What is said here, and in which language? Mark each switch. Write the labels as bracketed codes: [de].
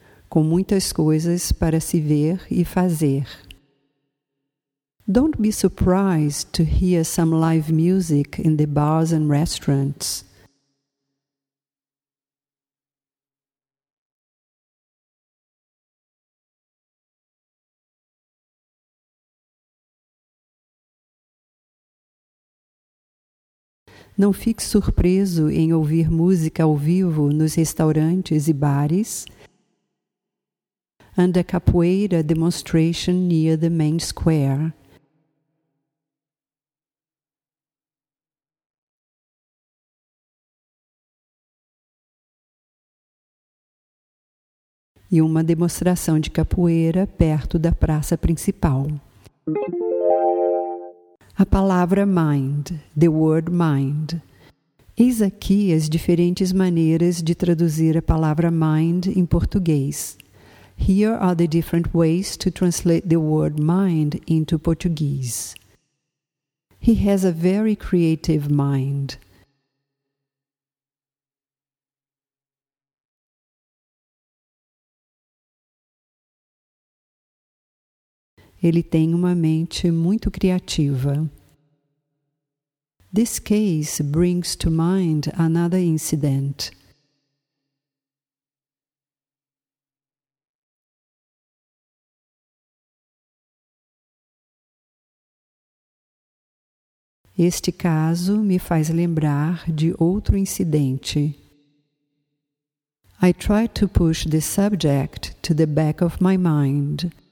[pt] Com muitas coisas para se ver e fazer. [en] Don't be surprised to hear some live music in the bars and restaurants. [pt] Não fique surpreso em ouvir música ao vivo nos restaurantes e bares [en] and a capoeira demonstration near the main square. [pt] E uma demonstração de capoeira perto da praça principal. A palavra mind, [en] the word mind. [pt] Eis aqui as diferentes maneiras de traduzir a palavra mind em português. [en] Here are the different ways to translate the word mind into Portuguese. He has a very creative mind. [pt] Ele tem uma mente muito criativa. [en] This case brings to mind another incident. [pt] Este caso me faz lembrar de outro incidente. [en] I try to push the subject to the back of my mind.